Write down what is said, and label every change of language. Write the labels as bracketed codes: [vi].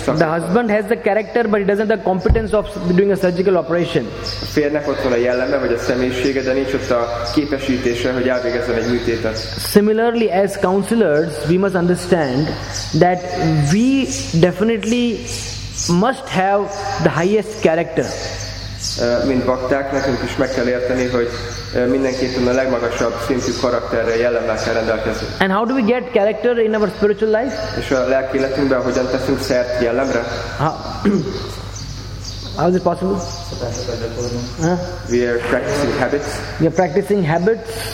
[en] The husband has the character, but he doesn't have the competence of doing a surgical operation. [hu] A férjnek ott van a jelleme, vagy a személyisége, de nincs ott a képesítése, hogy elvégezzen egy műtétet. [en] Similarly, as counselors, we must understand that we definitely must have the highest character. [hu] Mint bakták, nekünk is meg kell érteni, hogy mindenképpen a legmagasabb szintű karakterre, jellemmel kell rendelkezni. [en] And how do we get character in our spiritual life? [hu] És a lelki életünkben hogyan teszünk szert jellemre? [en] How is it possible? We are practicing habits. We are practicing habits.